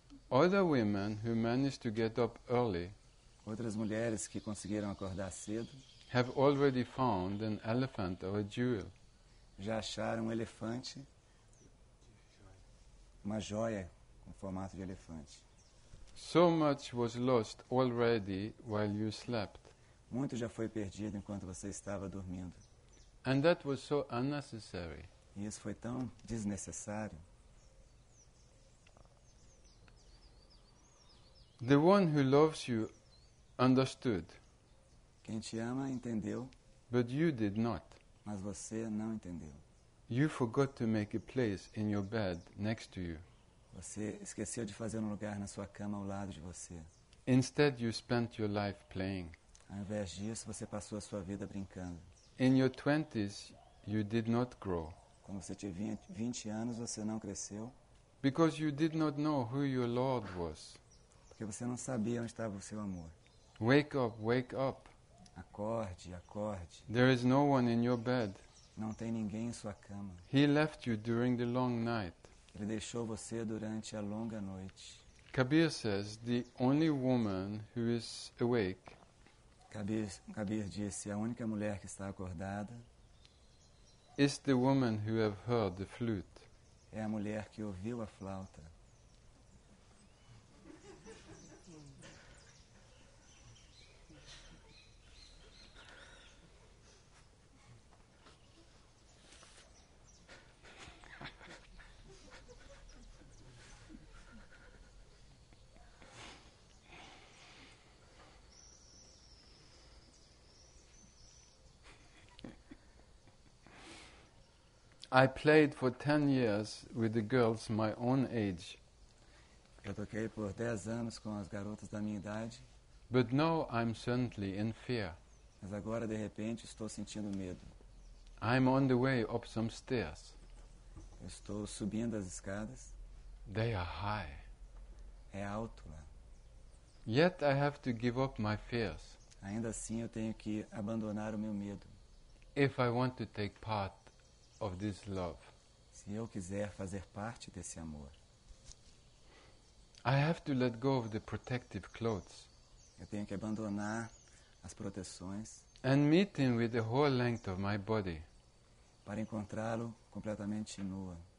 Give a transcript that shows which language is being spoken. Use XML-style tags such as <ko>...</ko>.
<en>Other women who managed to get up early.</en> <pt>Outras mulheres que conseguiram acordar cedo.</pt> <en>Have already found an elephant or a jewel.</en> <pt>Já acharam um elefante, uma joia com formato de elefante.</pt> <en>So much was lost already while you slept.</en> <pt>Muito já foi perdido enquanto você estava dormindo.</pt> <en>And that was so unnecessary.</en> <pt>E isso foi tão desnecessário.</pt> <en>The one who loves you understood.</en> <pt>Quem te ama entendeu.</pt> <en>But you did not.</en> <pt>Mas você não entendeu.</pt> <en>You forgot to make a place in your bed next to you.</en> <pt>Você esqueceu de fazer um lugar na sua cama ao lado de você.</pt> <en>Instead, you spent your life playing.</en> <pt>Ao invés disso, você passou a sua vida brincando.</pt> <en>In your 20s, you did not grow.</en> <pt>Quando você tinha 20 anos, você não cresceu.</pt> <en>Because you did not know who your Lord was.</en> <pt>Porque você não sabia onde estava o seu amor.</pt> <en>Wake up, wake up.</en> <pt>Acorde, acorde.</pt> <en>There is no one in your bed.</en> <pt>Não tem ninguém em sua cama.</pt> <en>He left you during the long night.</en> <pt>Ele deixou você durante a longa noite.</pt> <en>Kabir says the only woman who is awake.</en> <pt>Kabir disse a única mulher que está acordada.</pt> <en>Is the woman who have heard the flute.</en> <pt>É a mulher que ouviu a flauta.</pt> <en>I played for 10 years with the girls my own age.</en> <pt>Eu toquei por 10 anos com as garotas da minha idade.</pt> <en>But now I'm suddenly in fear.</en> <pt>Mas agora de repente estou sentindo medo.</pt> <en>I'm on the way up some stairs.</en> <pt>Estou subindo as escadas.</pt> <en>They are high.</en> <pt>É alto lá.</pt> <en>Yet I have to give up my fears.</en> <pt>Ainda assim eu tenho que abandonar o meu medo.</pt> <en>If I want to take part of this love.</en> <pt>Se eu quiser fazer parte desse amor.</pt> <en>I have to let go of the protective clothes.</en> <pt>Eu tenho que abandonar as proteções.</pt> <en>And meet him with the whole length of my body.</en> <pt>Para encontrá-lo completamente nua.</pt>